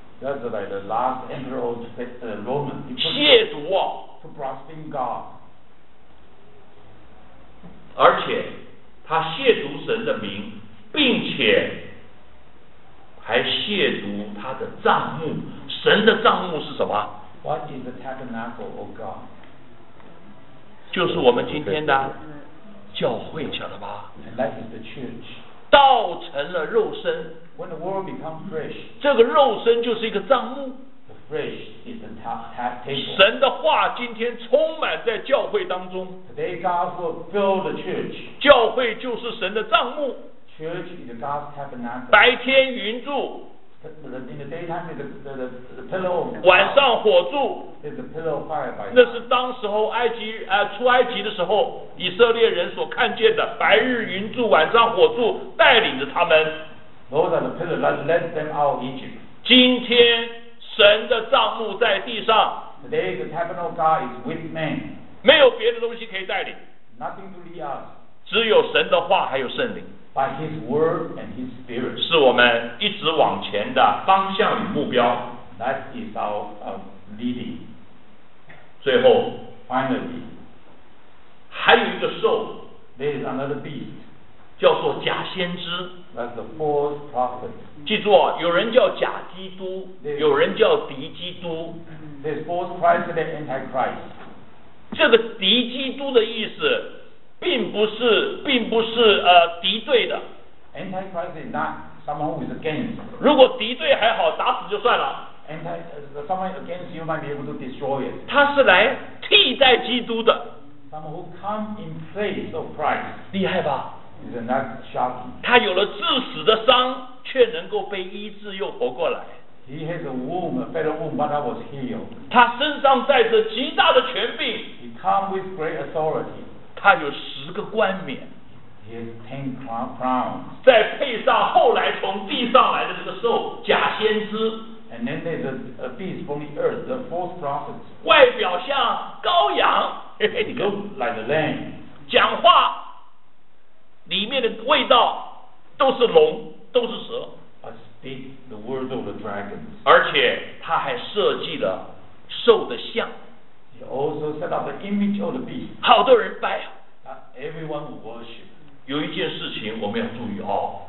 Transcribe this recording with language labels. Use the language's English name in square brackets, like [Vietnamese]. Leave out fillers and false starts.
[English] That's like the last emperor of the Roman [Chinese] 亵渎啊 [English] To blaspheme God. [Chinese] 而且他亵渎神的名并且还亵渎他的帐幕神的帐幕是什么 [English] What is the tabernacle of God? [Chinese] 就是我们今天的教会晓得吧 [English] And that is the church. [Chinese] 道成了肉身 [English] When the world becomes flesh, [Chinese] 这个肉身就是一个帐幕神的话今天充满在教会当中 [English] Today God will fill the church. [Chinese] 教会就是神的帐幕 [English] church is God's tabernacle. [Chinese] 白天云柱 [English] In the daytime is the pillar of fire. [Chinese] 晚上火柱 [English] is the pillar of fire by [Chinese] 那是当时候埃及、出埃及的时候以色列人所看见的白日云柱晚上火柱带领着他们 [English] Those are the pillars that led them out of Egypt. [Chinese] 今天神的帐幕在地上 [English] Today the tabernacle of God is with man [Chinese] 没有别的东西可以带领 [English] Nothing to lead us [Chinese] 只有神的话还有圣灵 [English] By his word and his spirit [Chinese] 是我们一直往前的方向与目标 [English] That is our leading [Chinese] 最后 [English] Finally [Chinese] 还有一个兽 [English] There is another beast [Chinese] 叫做假先知 [English] That's the false prophet [Chinese] 记住、有人叫假基督有人叫敌基督 [English] There's false Christ and Antichrist [Chinese] 这个敌基督的意思并不是敌对的。 [English] Antichrist is not someone who is against. [Chinese] 如果敌对还好，打死就算了。 [English] Someone against you might be able to destroy it. [Chinese] 他是来替代基督的。 [English] Someone who come in place of Christ. [Chinese] 厉害吧？ [English] Isn't that shocking? [Chinese] 他有了致死的伤，却能够被医治又活过来。 [English] He has a wound, a fatal wound, but I was healed. [Chinese] 他身上带着极大的权柄。 [English] He come with great authority. [Chinese] 他有十个冠冕。 [English] He has 10 crowns. [Chinese] 再配上后来从地上来的这个兽，假先知。 [English] And then there's a beast from the earth, the false prophet. [Chinese] 外表像羔羊。 [English] Look like a lamb. [Chinese] 讲话里面的味道都是龙，都是蛇。 [English] But speak the words of the dragons. [Chinese] 而且他还设计了兽的像。 [English] He also set up the image of the beast. [Chinese] 好多人拜啊。 [English] Everyone will worship. [Chinese] 有一件事情我们要注意哦。